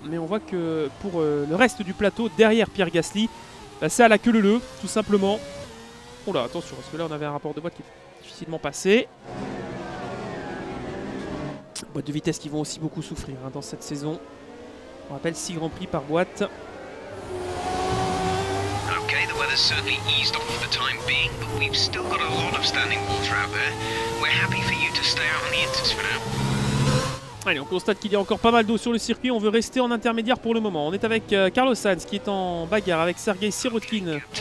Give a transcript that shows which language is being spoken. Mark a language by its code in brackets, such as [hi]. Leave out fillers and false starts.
[fr] Mais on voit que pour le reste du plateau, derrière Pierre Gasly, bah, c'est à la queue leu-leu, tout simplement. Oh là, attention, parce que là on avait un rapport de boîte qui est difficilement passé. Boîtes de vitesse qui vont aussi beaucoup souffrir hein, dans cette saison. On rappelle 6 Grands Prix par boîte. [en] Okay, the weather's certainly eased off for the time being, but we've still got a lot of standing water out there. We're happy for you to stay out on the inters for now. [fr] Allez, on constate qu'il y a encore pas mal d'eau sur le circuit. On veut rester en intermédiaire pour le moment. On est avec Carlos Sainz qui est en bagarre avec Sergei Sirotkin.